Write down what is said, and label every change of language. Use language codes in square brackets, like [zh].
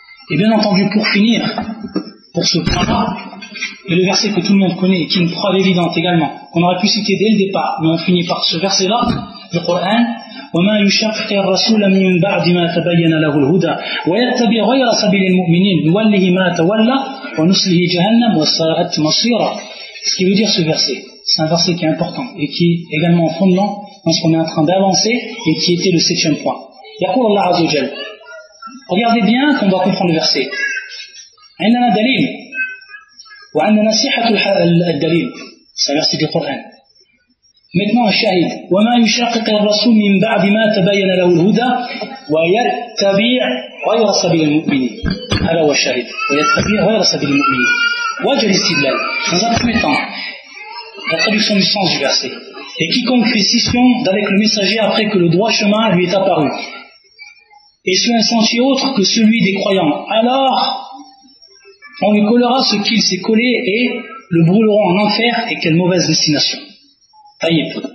[fr] Et bien entendu, pour finir, pour ce point-là, et le verset que tout le monde connaît, qui est une preuve évidente également, qu'on aurait pu citer dès le départ, mais on finit par ce verset-là, le Coran, [ar] وَمَا يُشَقِّ الرَّسُولَ مِنْ بَعْدِ مَا تَبَيَّنَ لَهُ الْهُدَى وَيَتَّبِعْ غَيْرَ سَبِيلِ الْمُؤْمِنِينَ نُوَلِّهِ مَا تَوَلَّى وَنُصْلِهِ جَهَنَّمَ وَسَاءَتْ مَصِيرًا. [fr] Ce qui veut dire ce verset, c'est un verset qui est important et qui est également fondement dans ce qu'on est en train d'avancer et qui était le septième point. [ar] يَقُولُ اللَّهُ عَزَّ وَجَلَّ. [fr] Regardez bien qu'on doit comprendre le verset. [ar] عِنْدَنَا دَلِيلٌ وعندنا نصيحة الدليل سيرسى القرآن. Maintenant الشاهد وما يشاقق الرسول من بعد ما تبين له الهدى ويتبع غير سبيل المؤمنين. هذا هو الشاهد ويتبع غير سبيل المؤمنين. وجه الاستدلال. [fr] Dans un premier temps, la traduction du sens du verset. Et quiconque fait scission d'avec le messager après que le droit chemin lui est apparu et sur un sentier autre que celui des croyants, alors on lui collera ce qu'il s'est collé et le brûleront en enfer et quelle mauvaise destination. Taïb.